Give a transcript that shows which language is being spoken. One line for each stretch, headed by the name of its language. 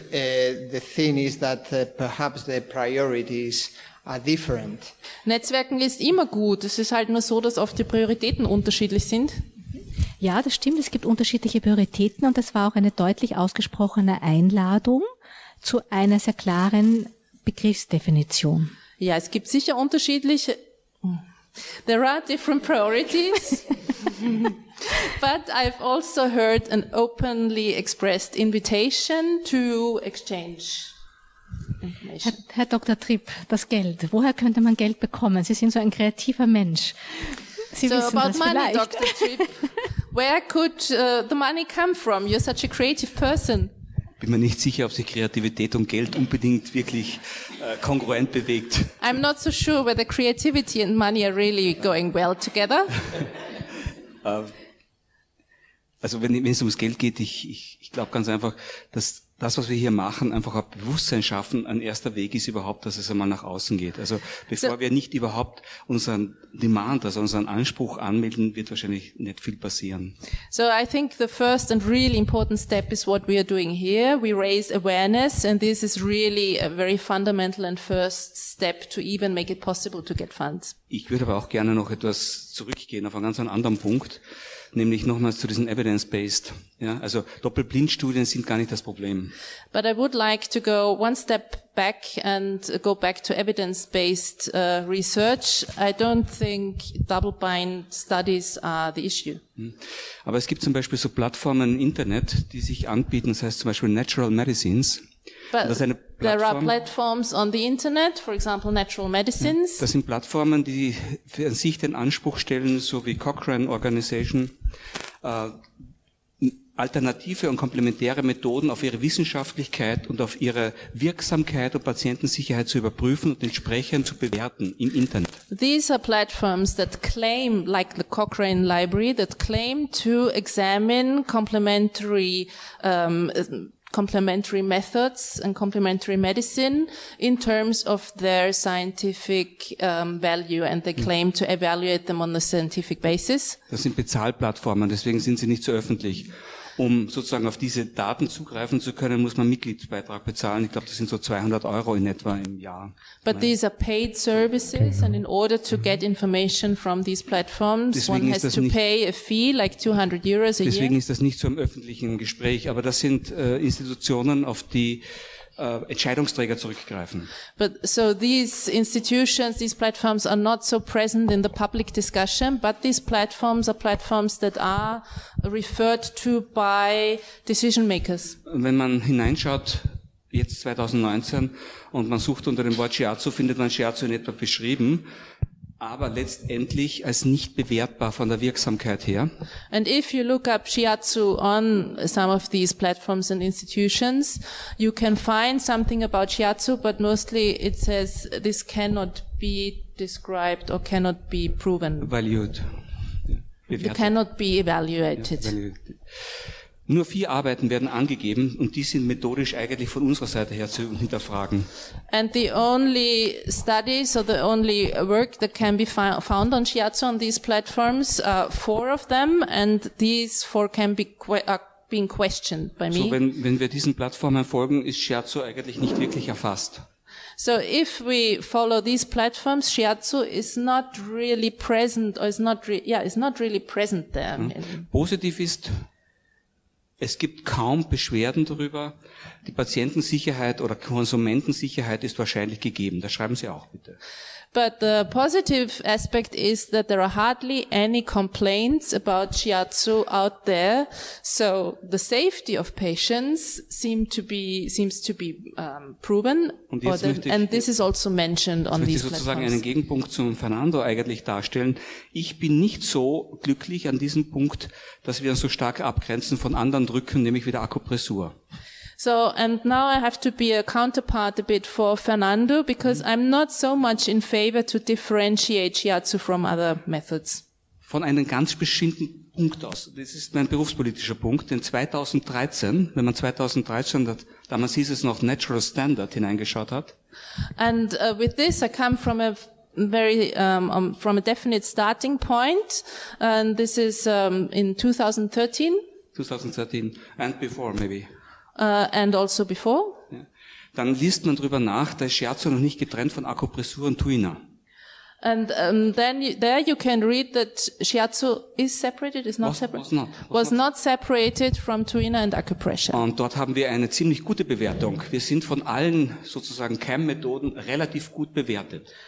English: The thing is that perhaps the priorities are different.
German: Netzwerken ist immer gut. Es ist halt nur so, dass oft die Prioritäten unterschiedlich sind. Ja, das stimmt. Es gibt unterschiedliche Prioritäten, und das war auch eine deutlich ausgesprochene Einladung zu einer sehr klaren Begriffsdefinition. Ja, es gibt sicher unterschiedliche...
English: There are different priorities, but I've also heard an openly expressed invitation to exchange information.
German: Herr Dr. Tripp, das Geld. Woher könnte man Geld bekommen? Sie sind so ein kreativer Mensch. Sie so wissen
English: about
German: das
English: money,
German: vielleicht.
English: Dr. Tripp, where could the money come from? You're such a creative person.
German: Bin mir nicht sicher, ob sich Kreativität und Geld unbedingt wirklich kongruent bewegt.
English: I'm not so sure whether creativity and money are really going well together.
German: Also wenn es ums Geld geht, ich glaube ganz einfach, dass das, was wir hier machen, einfach ein Bewusstsein schaffen, ein erster Weg ist überhaupt, dass es einmal nach außen geht. Also bevor wir nicht überhaupt unseren Demand, also unseren Anspruch anmelden, wird wahrscheinlich nicht viel passieren.
English: So I think the first and really important step is what we are doing here. We raise awareness, and this is really a very fundamental and first step to even make it possible to get funds.
German: Ich würde aber auch gerne noch etwas zurückgehen auf einen ganz anderen Punkt. nämlich nochmals zu diesen evidence-based. Ja, also Doppelblindstudien sind gar nicht das Problem.
English: But I would like to go one step back and go back to evidence-based research. I don't think double-blind studies are the issue.
German: Aber es gibt zum Beispiel so Plattformen im Internet, die sich anbieten, das heißt zum Beispiel Natural Medicines. But das ist eine Plattform.
English: There are platforms on the Internet, for example Natural Medicines.
German: Das sind Plattformen, die für sich den Anspruch stellen, so wie Cochrane Organization, alternative und komplementäre Methoden auf ihre Wissenschaftlichkeit und auf ihre Wirksamkeit und Patientensicherheit zu überprüfen und entsprechend zu bewerten im Internet.
English: These are platforms that claim, like the Cochrane Library, that claim to examine complementary methods and complementary medicine in terms of their scientific value, and they claim to evaluate them on the scientific basis.
German: Das sind Bezahlplattformen, deswegen sind sie nicht so öffentlich. Um sozusagen auf diese Daten zugreifen zu können, muss man Mitgliedsbeitrag bezahlen. Ich glaube, das sind so 200 Euro in etwa im Jahr.
English: But these are paid services, and in order to get information from these platforms,
German: deswegen
English: one has to pay a fee, like 200 euros a year.
German: Deswegen ist das nicht so im öffentlichen Gespräch, aber das sind Institutionen, auf die Entscheidungsträger zurückgreifen.
English: But so these institutions, these platforms are not so present in the public discussion, but these platforms are platforms that are referred to by decision makers.
German: Wenn man hineinschaut, jetzt 2019, und man sucht unter dem Wort Shiatsu, findet man Shiatsu in etwa beschrieben, aber letztendlich als nicht bewertbar von der Wirksamkeit her.
English: And if you look up Shiatsu on some of these platforms and institutions, you can find something about Shiatsu, but mostly it says this cannot be described or cannot be proven. Evaluated. You cannot be evaluated.
German: Nur vier Arbeiten werden angegeben, und die sind methodisch eigentlich von unserer Seite her zu hinterfragen.
English: And the only studies or the only work that can be found on Shiatsu on these platforms are four of them, and these four can be being questioned by me.
German: So wenn wir diesen Plattformen folgen, ist Shiatsu eigentlich nicht wirklich erfasst.
English: So if we follow these platforms, Shiatsu is not really present or is not really present there.
German: Positiv ist, es gibt kaum Beschwerden darüber. Die Patientensicherheit oder Konsumentensicherheit ist wahrscheinlich gegeben. Das schreiben Sie auch bitte.
English: But the positive aspect is that there are hardly any complaints about Shiatsu out there. So the safety of patients seems to be proven. And this is also mentioned on these platforms.
German: Ich möchte sozusagen einen Gegenpunkt zum Fernando eigentlich darstellen. Ich bin nicht so glücklich an diesem Punkt, dass wir uns so stark abgrenzen von anderen Drücken, nämlich wie der Akupressur.
English: So, and now I have to be a counterpart a bit for Fernando, because I'm not so much in favor to differentiate Shiatsu from other methods.
German: Von einem ganz bestimmten Punkt aus, das ist mein berufspolitischer Punkt, denn 2013, wenn man 2013, damals hieß es noch Natural Standard, hineingeschaut hat.
English: And with this I come from a very from a definite starting point, and this is in 2013. And before maybe. And also before.
German: Dann liest man drüber nach, da ist Shiatsu noch nicht getrennt von Akupressur und Tuina.
English: And then there you can read that Shiatsu is separated, is not separated. Was not separated from Tuina and Acupressure.
German: Und dort haben wir eine ziemlich gute Bewertung. Wir sind von allen sozusagen Keimmethoden relativ gut bewertet.